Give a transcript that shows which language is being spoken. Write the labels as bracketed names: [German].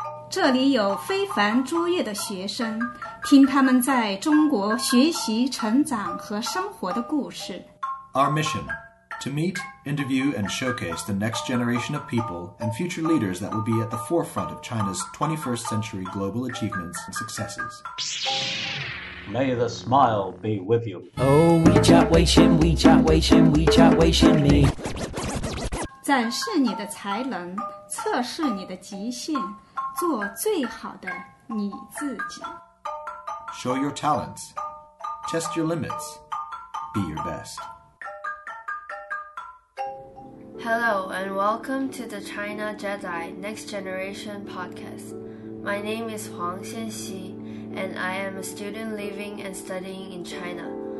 [Chinese] 这里有非凡卓越的学生，听他们在中国学习、成长和生活的故事。 [English] Our mission: to meet, interview, and showcase the next generation of people and future leaders that will be at the forefront of China's 21st century global achievements and successes. May the smile be with you. Oh, WeChat Weixin, WeChat Weixin, WeChat Weixin me. [Chinese] 展示你的才能，测试你的极限，做最好的你自己。 [English] Show your talents, test your limits, be your best. Hello and welcome to the China Jedi Next Generation Podcast. My name is Huang Xianxi, and I am a student living and studying in China.